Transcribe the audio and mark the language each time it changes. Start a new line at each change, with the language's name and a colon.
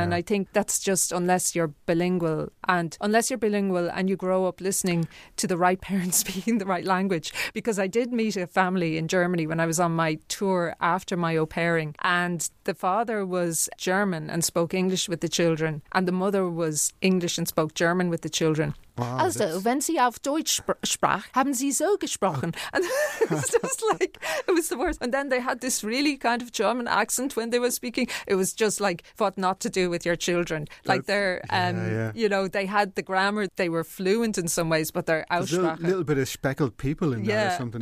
English: And I think that's just unless you're bilingual and you grow up listening to the right parents speaking the right language. Because I did meet a family in Germany when I was on my tour after my au pairing, and the father was German and spoke English with the children, and the mother was English and spoke German with the children. Wow,
German: also, wenn sie auf Deutsch sprach, haben sie so gesprochen.
English: And it was just like, it was the worst. And then they had this really kind of German accent when they were speaking. It was just like, what not to do with your children. Like their, you know, they had the grammar, they were fluent in some ways, but they're out. There's a little bit of speckled people in there or something,